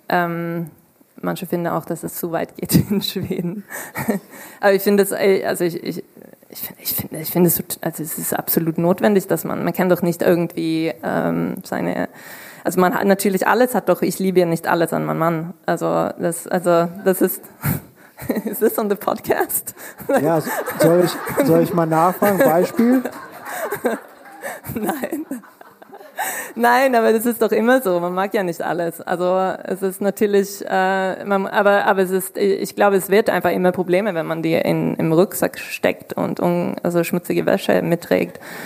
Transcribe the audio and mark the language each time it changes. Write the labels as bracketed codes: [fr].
[de] Manche finden auch, dass es zu weit geht in Schweden. Aber ich finde es, also ich finde es, es ist absolut notwendig, dass man kann doch nicht irgendwie seine, also man hat natürlich alles, hat doch, ich liebe ja nicht alles an meinem Mann. Also das ist, [en] is this on the podcast? [de] Ja, soll ich mal nachfragen, Beispiel? Nein. Nein, aber das ist doch immer so. Man mag ja nicht alles. Also es ist natürlich, aber es ist, ich glaube, es wird einfach immer Probleme, wenn man die im Rucksack steckt und also schmutzige Wäsche mitträgt.